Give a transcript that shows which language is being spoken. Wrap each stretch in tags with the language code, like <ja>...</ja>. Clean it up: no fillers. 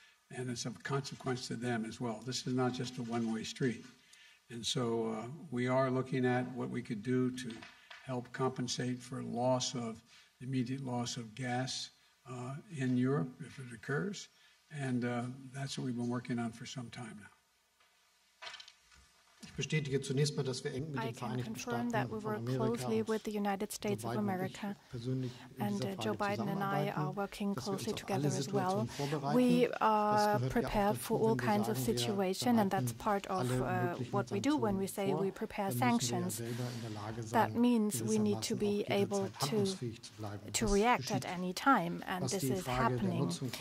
<en>And it's of consequence to them as well. This is not just a one-way street. And so we are looking at what we could do to help compensate for loss of immediate loss of gas in Europe if it occurs. And that's what we've been working on for some time now.</en> <de>Ich bestätige zunächst mal, dass wir eng mit den Vereinigten Staaten von Amerika,</de> <en>work closely with the United States of America, and Joe Biden and I are working closely together as well. We are prepared for all kinds of situations, and that's part of what we do when we say we prepare sanctions. That means we need to be able to react at any time, and this is happening.</en>